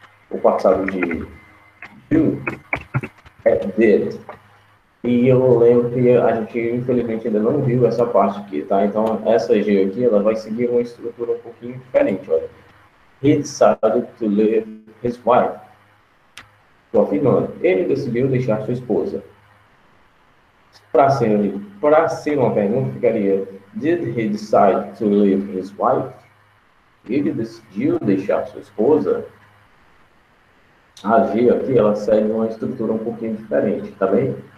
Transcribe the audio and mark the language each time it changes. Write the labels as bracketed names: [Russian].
[Portuguese] O passado de do é did. E eu lembro que a gente, infelizmente, ainda não viu essa parte aqui, tá? Então, essa G aqui, ela vai seguir uma estrutura um pouquinho diferente, olha. [English] He decided to leave his wife. [Portuguese] Estou afirmando. Ele decidiu deixar sua esposa. Para ser uma pergunta, ficaria: [English] did he decide to leave his wife? [Portuguese] Ele decidiu deixar sua esposa? A G aqui, ela segue uma estrutura um pouquinho diferente, tá bem?